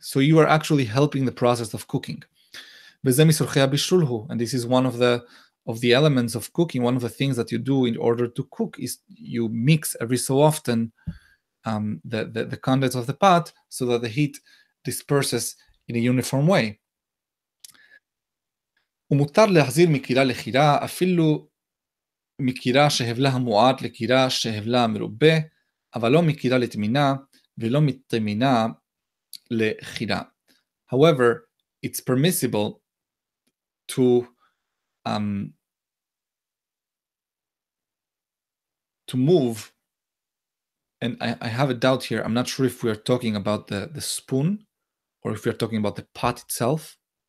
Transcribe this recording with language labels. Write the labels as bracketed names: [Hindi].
[English] So you are actually helping the process of cooking. And this is one of the elements of cooking. One of the things that you do in order to cook is you mix every so often the contents of the pot so that the heat disperses in a uniform way. [Hebrew] ומותר להחזיר מקירה לקירה, אפילו מקירה שהבלה מועד לקירה שהבלה מרובה, אבל לא מקירה לתמינה ולא מתמינה לקירה. [English] However, it's permissible to move, and I have a doubt here, I'm not sure if we are talking about the spoon or if we are talking about the pot itself.